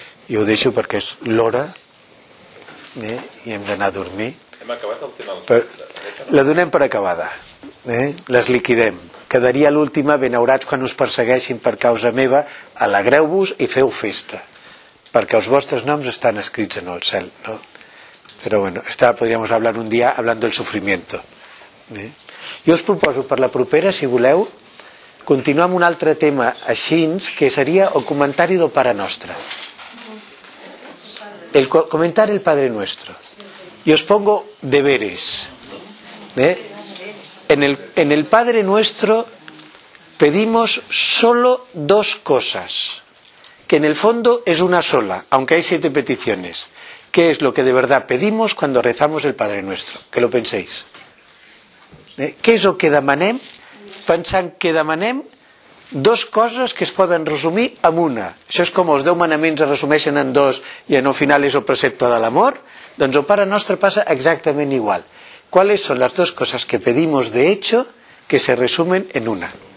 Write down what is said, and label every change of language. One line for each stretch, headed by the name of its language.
Catalan: I ho deixo perquè és l'hora, i hem d'anar a dormir. Hem acabat el tema. La donem per acabada, les liquidem. Quedaria l'última, benaurats quan us persegueixin per causa meva, alegreu-vos i feu festa, perquè els vostres noms estan escrits en el cel, no?
Spanish: Però bueno, esta podríem hablar un dia hablando del sufrimiento.
Catalan: Jo us proposo per la propera, si voleu, continuar amb un altre tema així, que seria el comentari del Pare Nostre.
Spanish: El comentar el Padre Nuestro. I us pongo deberes. En el Padre Nuestro pedimos solo dos cosas, que en el fondo es una sola, aunque hay siete peticiones. ¿Qué es lo que de verdad pedimos cuando rezamos el Padre Nuestro? Que lo penséis. ¿Qué es lo que demanem?
Catalan: Pensant que demanem dos coses que es poden resumir en una. Això és com els deu manaments es resumeixen en dos i en el final és el precepte de l'amor. Doncs el Pare Nostre passa exactament igual.
Spanish: ¿Cuáles son las dos cosas que pedimos de hecho que se resumen en una?